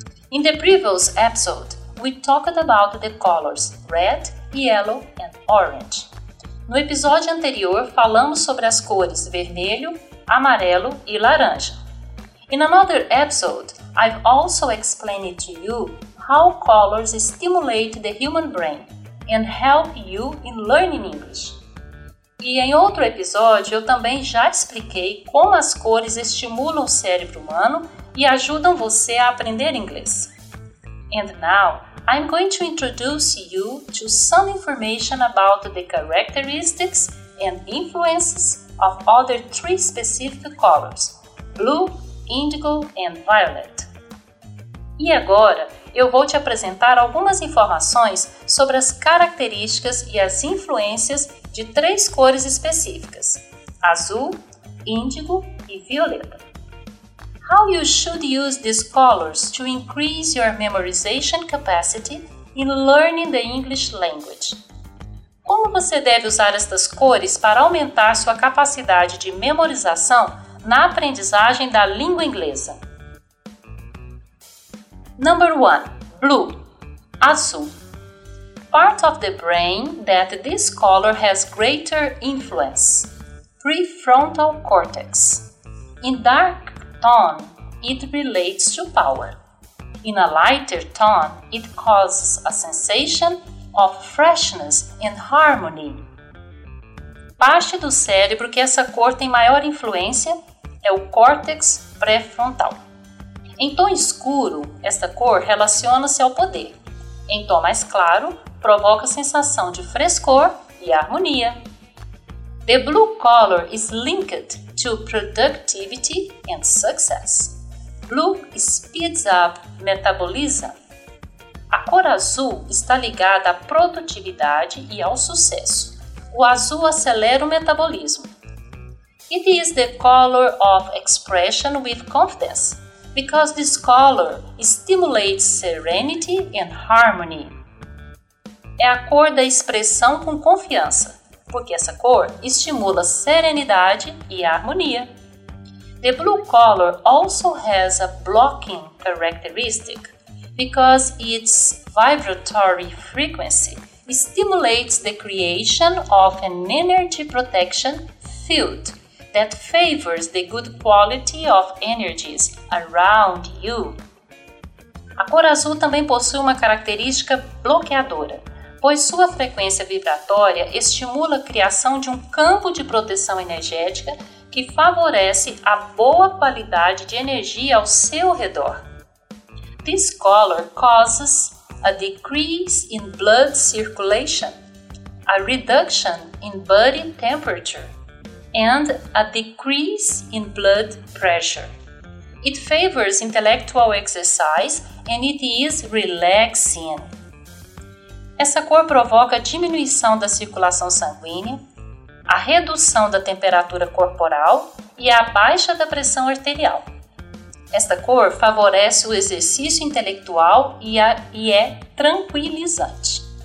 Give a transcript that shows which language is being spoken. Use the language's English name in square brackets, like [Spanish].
[English] In the previous episode, we talked about the colors red, yellow and orange. [Portuguese] No episódio anterior, falamos sobre as cores vermelho, amarelo e laranja. [English] In another episode, I've also explained to you how colors stimulate the human brain and help you in learning English. [Portuguese] E em outro episódio, eu também já expliquei como as cores estimulam o cérebro humano e ajudam você a aprender inglês. [English] And now, I'm going to introduce you to some information about the characteristics and influences of other three specific colors, blue, indigo and violet. [Portuguese] E agora, eu vou te apresentar algumas informações sobre as características e as influências de três cores específicas, azul, índigo e violeta. [English] How you should use these colors to increase your memorization capacity in learning the English language? [Portuguese] Como você deve usar estas cores para aumentar sua capacidade de memorização na aprendizagem da língua inglesa? [English] Number 1. Blue. Azul. Part of the brain that this color has greater influence. Prefrontal cortex. In dark tone, it relates to power. In a lighter tone, it causes a sensation of freshness and harmony. [Portuguese] Parte do cérebro que essa cor tem maior influência é o córtex pré-frontal. Em tom escuro, esta cor relaciona-se ao poder. Em tom mais claro, provoca sensação de frescor e harmonia. [English] The blue color is linked to productivity and success. Blue speeds up metabolism. [Portuguese] A cor azul está ligada à produtividade e ao sucesso. O azul acelera o metabolismo. [English] It is the color of expression with confidence, because this color stimulates serenity and harmony. [Portuguese] É a cor da expressão com confiança, porque essa cor estimula serenidade e harmonia. [English] The blue color also has a blocking characteristic, because its vibratory frequency stimulates the creation of an energy protection field that favors the good quality of energies around you. [Portuguese] A cor azul também possui uma característica bloqueadora, pois sua frequência vibratória estimula a criação de um campo de proteção energética que favorece a boa qualidade de energia ao seu redor. [English] This color causes a decrease in blood circulation, a reduction in body temperature, and a decrease in blood pressure. It favors intellectual exercise and it is relaxing. [Portuguese] Essa cor provoca diminuição da circulação sanguínea, a redução da temperatura corporal e a baixa da pressão arterial. Esta cor favorece o exercício intelectual e é tranquilizante.